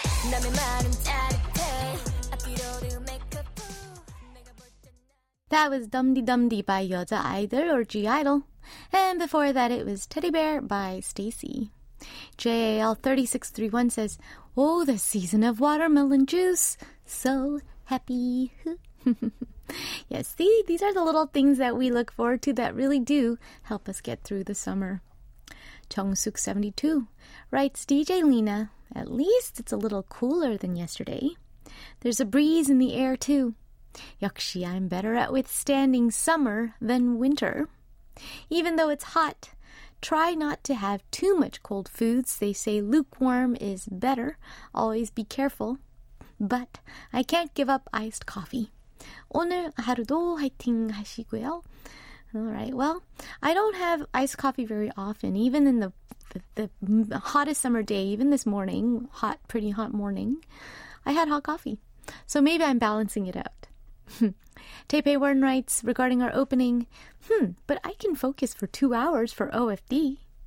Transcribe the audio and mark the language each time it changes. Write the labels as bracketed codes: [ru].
[ko] 남의 마음 따뜻해, 앞뒤로를 메꿔봐. [en] That was 덤디 덤디 by 여자 아이들 or G Idol. And before that, it was Teddy Bear by Stacy. JAL3631 says, oh, the season of watermelon juice. So happy. Yes, see, these are the little things that we look forward to that really do help us get through the summer. Chungsuk72 writes, DJ Lena, at least it's a little cooler than yesterday. There's a breeze in the air, too. Yakshi, I'm better at withstanding summer than winter. Even though it's hot, try not to have too much cold foods. They say lukewarm is better. Always be careful. But I can't give up iced coffee. [ko] 오늘 하루도 화이팅 하시고요. [en] All right, well, I don't have iced coffee very often, even in the hottest summer day, even this morning, hot, pretty hot morning. I had hot coffee. So maybe I'm balancing it out. Taipei Warren writes regarding our opening, but I can focus for 2 hours for OFD.